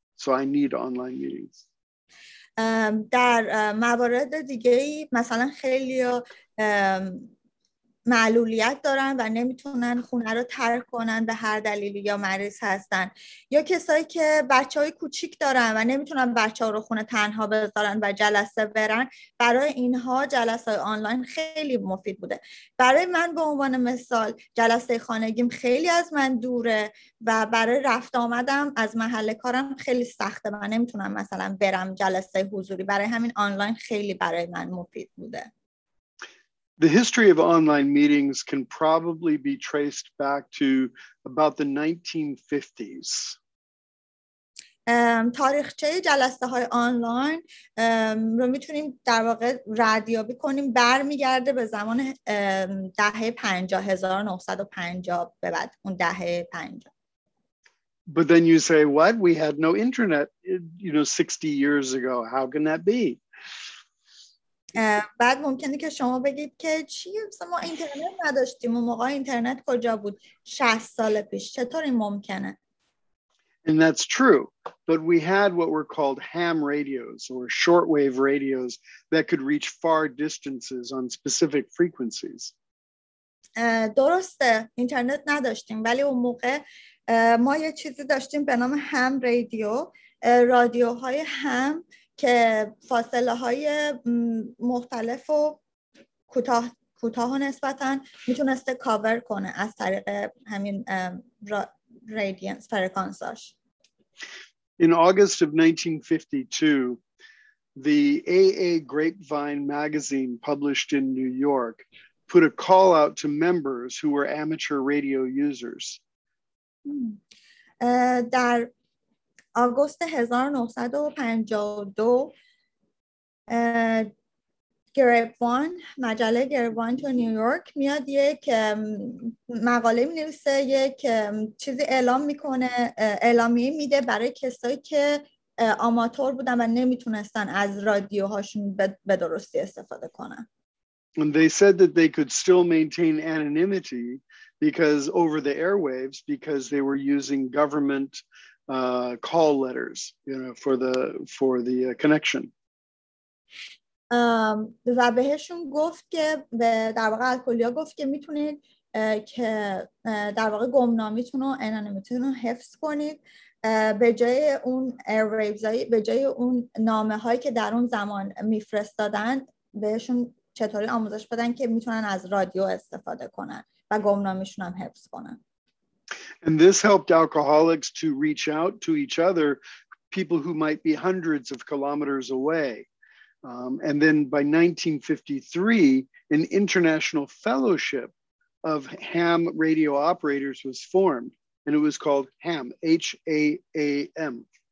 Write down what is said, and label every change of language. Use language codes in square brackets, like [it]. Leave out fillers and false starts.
[en] So I need online meetings. [fa] در موارد دیگه ای مثلا خیلی معلولیت دارن و نمیتونن خونه رو ترک کنن به هر دلیلی، یا مریض هستن، یا کسایی که بچه های کوچیک دارن و نمیتونن بچه ها رو خونه تنها بذارن و جلسه برن، برای اینها جلسه آنلاین خیلی مفید بوده. برای من به عنوان مثال جلسه خانگیم خیلی از من دوره و برای رفت آمدم از محل کارم خیلی سخته، من نمیتونم مثلا برم جلسه حضوری، برای همین آنلاین خیلی برای من مفید بوده. [en] The history of online meetings can probably be traced back to about the 1950s. [fa] تاریخچه جلسه‌های آنلاین رو میتونیم در واقع ردیابی کنیم، برمیگرده به زمان دهه 50، 1950 به بعد اون دهه 50. [en] But then you say, what? We had no internet, you know, 60 years ago. How can that be? [fa] بعد ممکنه که شما بگید که چی ما اینترنت نداشتیم، اون موقع اینترنت کجا بود 60 سال پیش، چطور این ممکنه؟ [en] And that's true, but we had what were called ham radios or shortwave radios that could reach far distances on specific frequencies. [fa] درسته اینترنت نداشتیم ولی اون موقع ما یه چیزی داشتیم به نام هم رادیو، رادیوهای هم که فاصله های مختلف و کوتاه و نسبتاً میتونسته کاور کنه از طریق همین رادیانس فرکانساش. [en] In August of 1952, the AA Grapevine magazine published in New York put a call out to members who were amateur radio users. [fa] در آگوست 1952 گریپوان مجله گریپوان تو نیویورک میاد یک مقاله می‌نویسه، یک چیزی اعلام می‌کنه، اعلامیه میده برای کسایی که آماتور بودن و نمیتونستن از رادیوهاشون به درستی استفاده کنن. [en] And they said that they could still maintain anonymity because over the airwaves because they were using government call letters, you know, for the connection. [fa] و بهشون گفت که به در واقع الکلیا گفت که میتونید که در واقع گمنامیتون رو انانیمیتون رو حفظ کنید به جای اون ایرویبزایی، به جای اون نامه هایی که در اون زمان میفرستادن بهشون چطوری آموزش بدن که میتونن از رادیو استفاده کنن و گمنامیشون هم حفظ کنن. [en] And this helped alcoholics to reach out to each other, people who might be hundreds of kilometers away. And then by 1953, an international fellowship of ham radio operators was formed, and it was called HAM, H-A-A-M.